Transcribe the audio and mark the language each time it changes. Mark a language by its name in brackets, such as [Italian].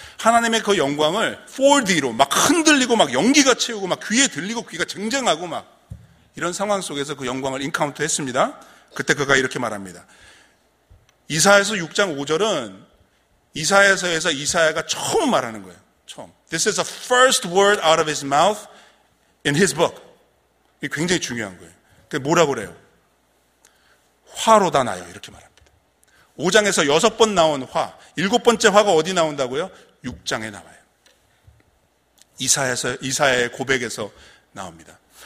[Korean] 하나님의 그 영광을 4D로 막 흔들리고 막 연기가 채우고 막 귀에 들리고 귀가 쟁쟁하고 막 이런 상황 속에서 그 영광을 인카운트 했습니다. 그때 그가 이렇게 말합니다. 이사야서 6장 5절은 이사야서에서 이사야가 처음 말하는 거예요. 처음. [English] This is the first word out of his mouth in his book. [Korean] 이게 굉장히 중요한 거예요. 그게 뭐라고 그래요? 화로다 나요. 이렇게 말합니다. 5장에서 여섯 번 나온 화. 일곱 번째 화가 어디 나온다고요? 6장에 나와요. 이사야의 고백에서 나옵니다.